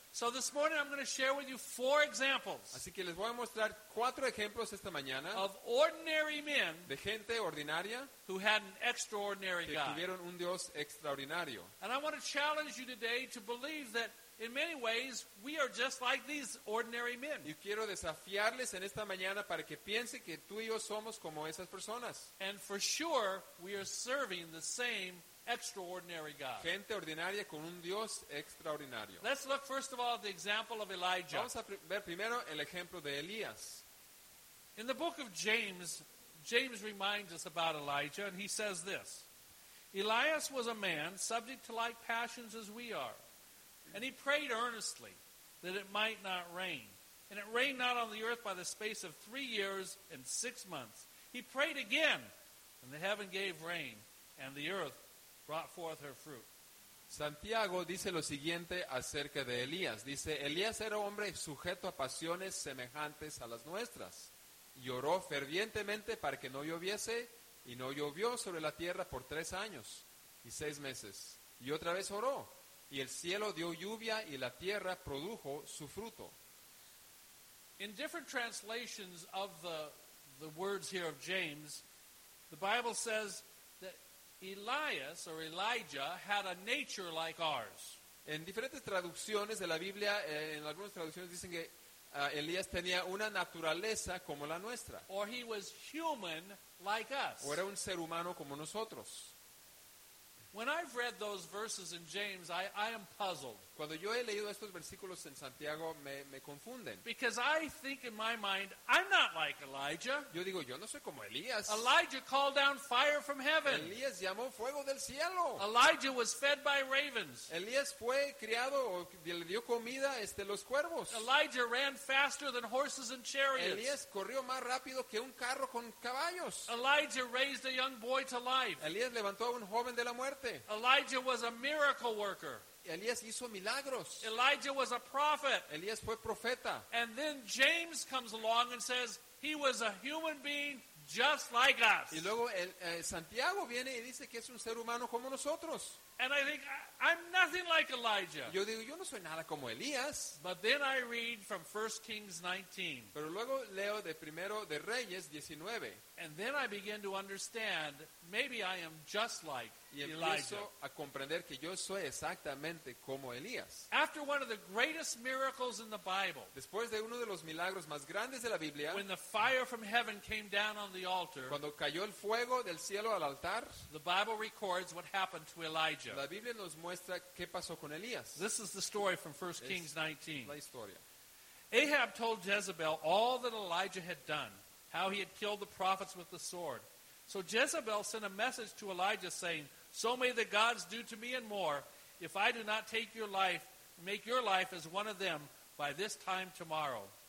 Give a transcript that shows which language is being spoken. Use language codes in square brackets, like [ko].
[en] So this morning I'm going to share with you four examples. [es] Así que les voy a mostrar cuatro ejemplos esta mañana [en] of ordinary men [es] de gente ordinaria [en] who had an extraordinary [es] que tuvieron un Dios extraordinario. [en] And I want to challenge you today to believe that in many ways we are just like these ordinary men. [es] Y quiero desafiarles en esta mañana para que piensen que tú y yo somos como esas personas. [en] And for sure we are serving the same extraordinary God. [es] Gente ordinaria con un Dios extraordinario. [en] Let's look first of all at the example of Elijah. [es] Vamos a ver primero el ejemplo de Elías. [en] In the book of James, James reminds us about Elijah, and he says this: Elias was a man subject to like passions as we are, and he prayed earnestly that it might not rain. And it rained not on the earth by the space of 3 years and 6 months. He prayed again, and the heaven gave rain, and the earth brought forth her fruit. [es] Santiago dice lo siguiente acerca de Elías. Dice, Elías era hombre sujeto a pasiones semejantes a las nuestras. Lloró fervientemente para que no lloviese, y no llovió sobre la tierra por 3 años y 6 meses. Y otra vez oró, y el cielo dio lluvia, y la tierra produjo su fruto. [en] In different translations of the words here of James, the Bible says that Elias or Elijah had a nature like ours. [es] En diferentes traducciones de la Biblia, en algunas traducciones dicen que Elías tenía una naturaleza como la nuestra. [en] Or he was human like us. [es] O era un ser humano como nosotros. [en] When I've read those verses in James, I am puzzled. [es] Cuando yo he leído estos versículos en Santiago, me confunden. [en] Because I think in my mind, I'm not like Elijah. [es] Yo digo, yo no soy como Elías. [en] Elijah called down fire from heaven. [es] Elías llamó fuego del cielo. [en] Elijah was fed by ravens. [es] Elías fue criado o le dio comida los cuervos. [en] Elijah ran faster than horses and chariots. [es] Elías corrió más rápido que un carro con caballos. [en] Elijah raised a young boy to life. [es] Elías levantó a un joven de la muerte. [en] Elijah was a miracle worker. [es] Elías hizo milagros. [en] Elijah was a prophet. [es] Elías fue profeta. [en] And then James comes along and says he was a human being just like us. [es] Y luego Santiago viene y dice que es un ser humano como nosotros. [en] And I think I'm nothing like Elijah. [es] Yo digo, yo no soy nada como Elías. [en] But then I read from 1 Kings 19. [es] Pero luego leo de primero de Reyes 19. [en] And then I begin to understand maybe I am just like [es] y empiezo [en] Elijah. [es] A comprender que yo soy exactamente como Elías. [en] After one of the greatest miracles in the Bible. [es] Después de uno de los milagros más grandes de la Biblia. [en] When the fire from heaven came down on the altar. [es] Cuando cayó el fuego del cielo al altar. [en] The Bible records what happened to Elijah. [es] La Biblia nos muestra qué pasó con Elías. [en] This is the story from 1 Kings 19. [es] La historia. [en] Ahab told Jezebel all that Elijah had done, how he had killed the prophets with the sword. So Jezebel sent a message to Elijah saying, so may the gods do to me and more if I do not take your life, make your life as one of them by this time tomorrow.